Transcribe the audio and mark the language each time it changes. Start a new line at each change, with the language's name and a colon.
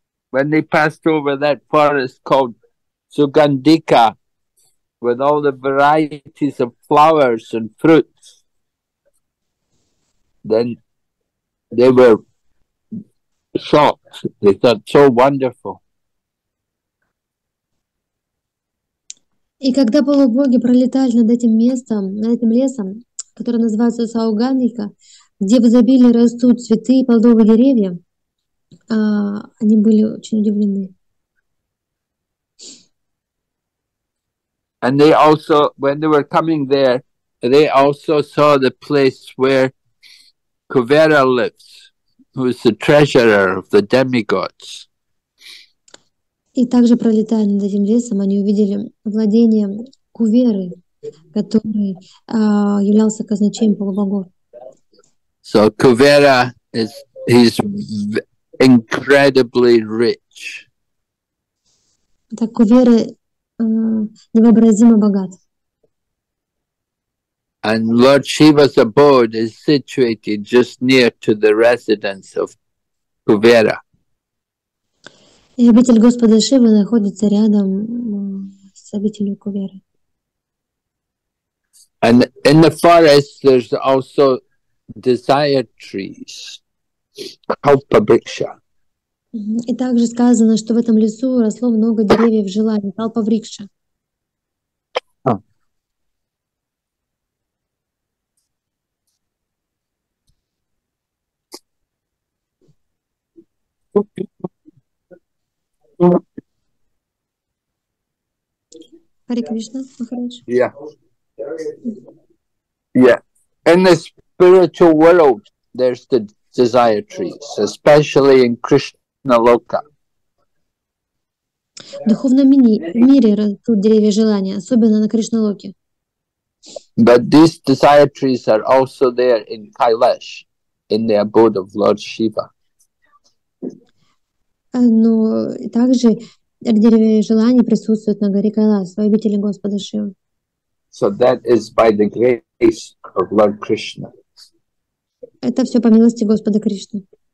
English: When they passed over that forest called Sugandhika, with all the varieties of flowers and fruits, then they were shocked. They thought, so wonderful.
Russian: И когда полубоги пролетали над этим местом, над этим лесом, который называется Саугандика, где в изобилии растут цветы и плодовые деревья, они были очень удивлены.
English: And they also, when they were coming there, they also saw the place where Kuvera lives, who is the treasurer of the demigods.
Russian: И также пролетая над этим лесом, они увидели владение Куверы, который являлся казначеем полубогов.
English: So Kuvera is he's incredibly rich.
Russian: Так Кувера невообразимо богат.
English: And Lord Shiva's abode is situated just near to the residence of Kuvera.
Russian: И обитель Господа Шивы находится рядом с обителью Кувера.
English: And in the forest there's also desire trees. Kalpavriksha.
Russian: И также сказано, что в этом лесу росло много деревьев желаний. Калпаврикша.
English: Hare Krishna, Maharaj. Yeah. Yeah. In the spiritual world, there's the desire trees, especially in Krishna Loka.
Russian: В духовном мире растут деревья желания, особенно на Кришна Локе.
English: But these desire trees are also there in Kailash, in the abode of Lord Shiva.
Russian: Но также деревья желаний присутствуют на горе Кайлас, в обители Господа Шивы.
English: So that is by the grace of Lord Krishna.
Russian: Это все по милости Господа Кришны.